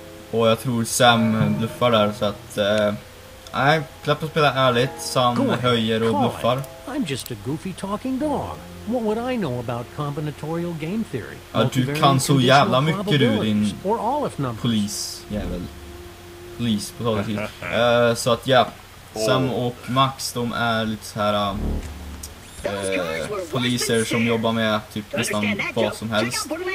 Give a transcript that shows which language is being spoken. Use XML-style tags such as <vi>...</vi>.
<sv>Och jag tror Sam bluffar där så att... Nej, klappar spela ärligt. Sam höjer och bluffar.</sv> <en>I'm just a goofy talking dog. What would I know about combinatorial game theory?</en> <sv>Ja, du kan så jävla mycket du din polis jävel. Polis på taget. Så att ja, Sam och Max de är lite så här poliser som jobbar med typ nästan vad som helst.</sv>